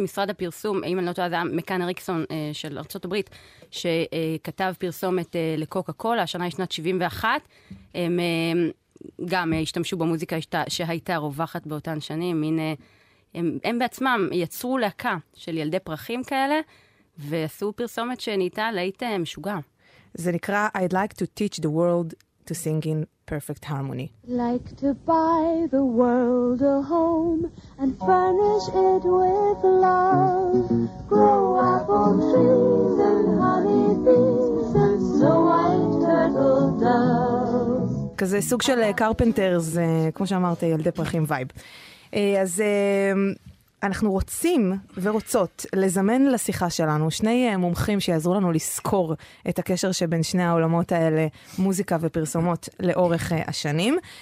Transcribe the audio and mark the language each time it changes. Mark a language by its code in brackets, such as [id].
[he] משרד הפרסום, אם אני לא טועה, זה מקן אריקסון של ארצות הברית, שכתב פרסומת לקוקה קולה, השנה היא שנת 71. הם גם השתמשו במוזיקה שהייתה רווחת באותן שנים. הם בעצמם יצרו להקה של ילדי פרחים כאלה, ועשו פרסומת שנהייתה להיט משוגע. זה נקרא, [en] I'd like to teach the world to sing in perfect harmony. Like to buy the world a home and furnish it with love. Grow apple trees and honey bees and snow white turtle doves. [he] כזה סוג של קרפנטרס, כמו שאמרת, ילדי פרחים וייב. אז אנחנו רוצים ורוצות לזמן לשיחה שלנו שני מומחים שיעזרו לנו לזכור את הקשר שבין שני העולמות האלה, מוזיקה ופרסומות, לאורך השנים.